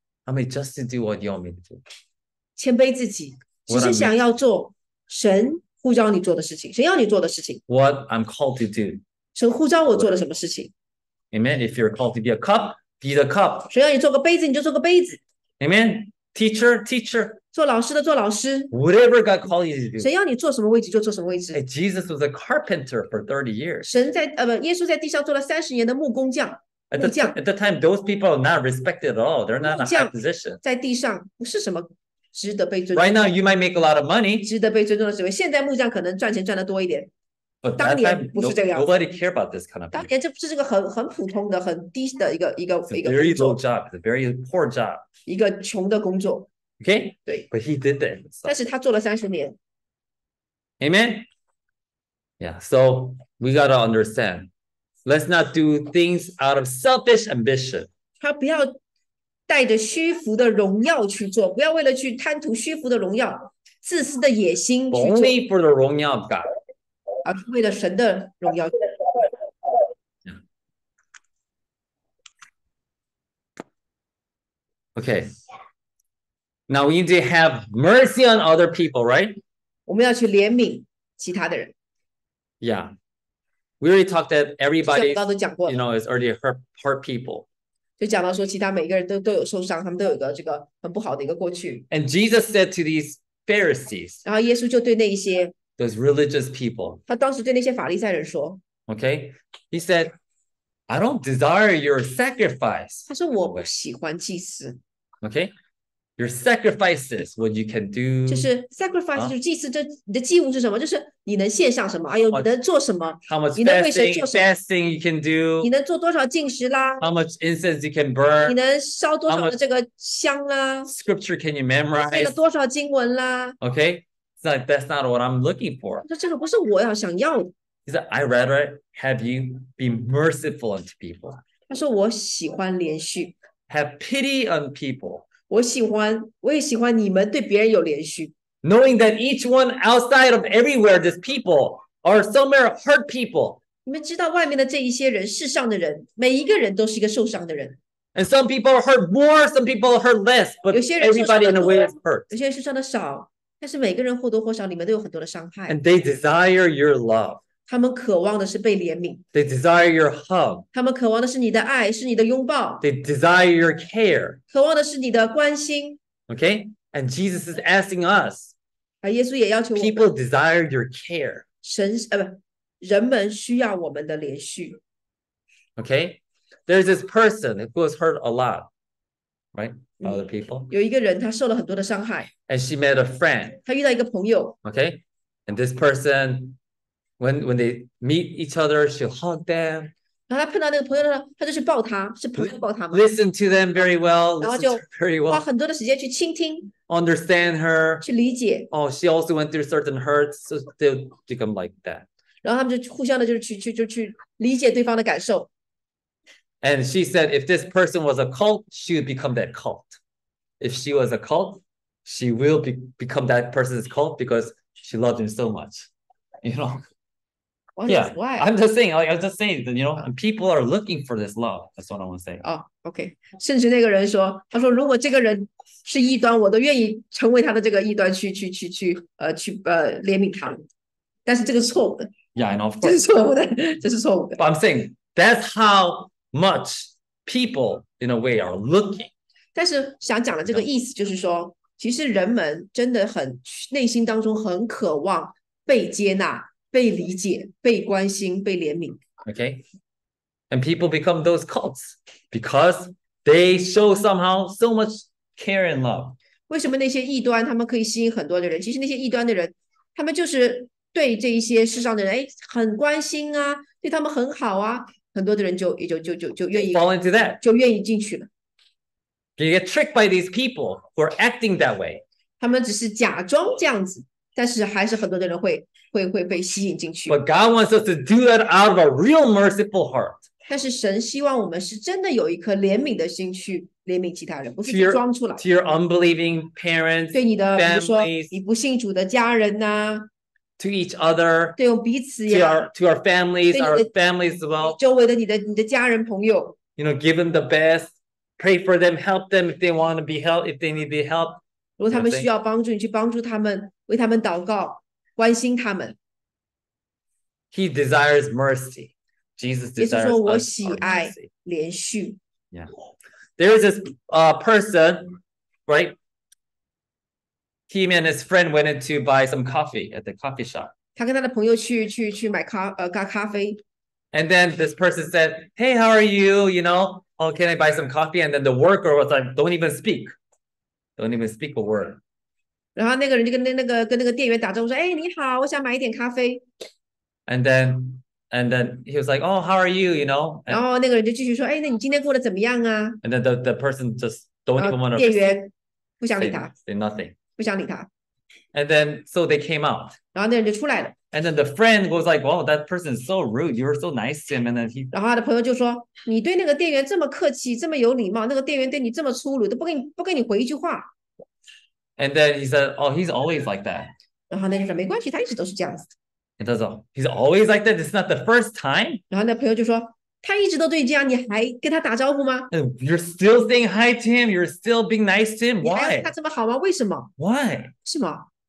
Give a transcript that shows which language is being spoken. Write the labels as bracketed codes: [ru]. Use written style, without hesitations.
[en] I mean, just to do what you want me to do. [zh] 谦卑自己，只是想要做神呼召你做的事情，神要你做的事情。 [en] What I'm called to do. [zh] 神呼召我做了什么事情 [en] ？Amen. If you're called to be a cup, be the cup. [zh] 神要你做个杯子，你就做个杯子。 [en] Amen. Teacher, teacher. [zh] 做老师的做老师。 [en] Whatever God calls you to do. [zh] 神要你做什么位置就做什么位置。 [en] Hey, Jesus was a carpenter for 30 years. [zh] 神在耶稣在地上做了三十年的木工匠。 [en] At the time, those people are not respected at all. They're not in a high position. [zh] 在地上不是什么值得被尊重。 [en] Right now, you might make a lot of money. [zh] 值得被尊重的职位。现在木匠可能赚钱赚得多一点。 [en] But [zh] 当年不是这个样子。 [en] Nobody care about this kind of. [zh] 当年这是这个很普通的很低的一个 [en] It's a very low job. It's a very poor job. [zh] 一个穷的工作。 [en] Okay. [zh] 对。 [en] But he did that. [zh] 但是他做了三十年。 [en] Amen. Yeah. So we gotta understand. Let's not do things out of selfish ambition. [zh] 他不要带着虚浮的荣耀去做，不要为了去贪图虚浮的荣耀、自私的野心去做。 [en] Only for the glory of God. [zh] 而是为了神的荣耀。 [en] Okay. Now we need to have mercy on other people, right? [zh] 我们要去怜悯其他的人。 [en] Yeah. We already talked that everybody, you know, is already hurt people. [zh] 就讲到说，其他每个人都有受伤，他们都有一个这个很不好的一个过去。 [en] And Jesus said to these Pharisees. [zh] 然后耶稣就对那一些 [en] those religious people. [zh] 他当时对那些法利赛人说 [en] ，Okay, he said, I don't desire your sacrifice. [zh] 他说我不喜欢祭司。 [en] Okay, your sacrifices, what you can do. [zh] 就是 sacrifice 就是祭司，这你的祭物是什么？就是。你能献上什么？哎呦，你能做什么？ [en] How much [zh] 你能为谁做什么 [en] ？Fasting you can do. [zh] 你能做多少禁食啦 [en] ？How much incense you can burn? [zh] 你能烧多少的这个香啦 [en] ？How much scripture can you memorize? 背 [zh] 了多少经文啦 [en] ？Okay, so that's not what I'm looking for. [zh] 说这个不是我要想要的。 [en] He said, "I rather have you be merciful unto people." [zh] 他说我喜欢连续。 [en] Have pity on people. [zh] 我也喜欢你们对别人有连续。 [en] Knowing that each one outside of everywhere, these people are somewhere hurt people. [zh] 你们知道外面的这一些人，世上的人，每一个人都是一个受伤的人。 [en] And some people are hurt more, some people are hurt less, but everybody in a way is hurt. [zh] 有些人受伤的少，但是每个人或多或少里面都有很多的伤害。 [en] And they desire your love. [zh] 他们渴望的是被怜悯。 [en] They desire your hug. [zh] 他们渴望的是你的爱，是你的拥抱。 [en] They desire your care. [zh] 渴望的是你的关心。 [en] Okay. And Jesus is asking us. [zh] 耶稣也要求我们。 [en] People desire your care. [zh] 神人们需要我们的连续。 [en] Okay, there's this person who was hurt a lot, right? Other people. [zh] 有一个人，他受了很多的伤害。 [en] And she met a friend. [zh] 她遇到一个朋友。 [en] Okay, and this person, when they meet each other, she hugged them. [zh] 然后他碰到那个朋友的时候，他就去抱他，是朋友抱他吗 [en] ？Listen to them very well. [zh] 然后就 [en] very well [zh] 花很多的时间去倾听 [en] ，understand her [zh] 去理解。 [en] Oh, she also went through certain hurts, so they become like that. [zh] 然后他们就互相的，就是去理解对方的感受。 [en] And she said, if this person was a cult, she would become that cult. If she was a cult, she will become that person's cult because she loved him so much, you know. Yeah, I'm just saying, you know, people are looking for this love. That's what I want to say. Oh, okay. [zh] 甚至那个人说，他说，如果这个人是异端，我都愿意成为他的这个异端去怜悯他。但是这个是错误的。 [en] Yeah, I know. Of course. [zh] 这是错误的，这是错误的。 [en] But I'm saying that's how much people, in a way, are looking. [zh] 但是想讲的这个意思就是说，其实人们真的很内心当中很渴望被接纳。被理解，被关心，被怜悯。 [en] Okay, and people become those cults because they show somehow so much care and love. [zh] 为什么那些异端他们可以吸引很多的人？其实那些异端的人，他们就是对这一些世上的人，哎，很关心啊，对他们很好啊，很多的人就愿意 [en] fall into that, [zh] 就愿意进去了。 [en] You get tricked by these people who are acting that way. [zh] 他们只是假装这样子，但是还是很多的人会。会被吸引进去。 [en] But God wants us to do that out of a real merciful heart. [zh] 但是神希望我们是真的有一颗怜悯的心去怜悯其他人，不是去装出来。 [en] To your unbelieving parents, [zh] 对你的， [en] families, [zh] 比如说你不信主的家人呐、啊。 [en] To each other, [zh] 对我彼此呀。 [en] To our families, our families as well. [zh] 周围的你的家人朋友。 [en] You know, give them the best. pray for them, help them if they want to be helped, if they need the help. [zh] 如果他们需要帮助，你去帮助他们，为他们祷告，关心他们。 [en] He desires mercy. Jesus desires mercy. [zh] 耶稣说：“我喜爱连续。” [en] Yeah. There is this person, right? He and his friend went in to buy some coffee at the coffee shop. [zh] 他跟他的朋友去买咖啡。 [en] And then this person said, "Hey, how are you? You know, oh, can I buy some coffee?" And then the worker was like, "Don't even speak." Don't even speak a word. [zh] 然后那个人就跟那个店员打招呼说：“哎，你好，我想买一点咖啡。” [en] And then he was like, "Oh, how are you? You know." [zh] 然后那个人就继续说：“哎，那你今天过得怎么样啊？” [en] And then the person just don't even want to. [zh] 店员不想理他。 [en] Say nothing. [zh] 不想理他。 [en] And then so they came out. [zh] 然后那人就出来了。 [en] And then the friend was like, "Wow, that person is so rude. You were so nice to him." And then he. [zh] 然后他的朋友就说：“你对那个店员这么客气，这么有礼貌，那个店员对你这么粗鲁，都不给你回一句话。” [en] And then he said, "Oh, he's always like that." [zh] 然后那人说：“没关系，他一直都是这样子。” [en] And that's all. He's always like that. It's not the first time. [zh] 然后那朋友就说：“他一直都对你这样，你还跟他打招呼吗？” [en] And you're still saying hi to him. You're still being nice to him. Why? [zh] 你还要他这么好吗？为什么 [en] ？Why? [zh] 是吗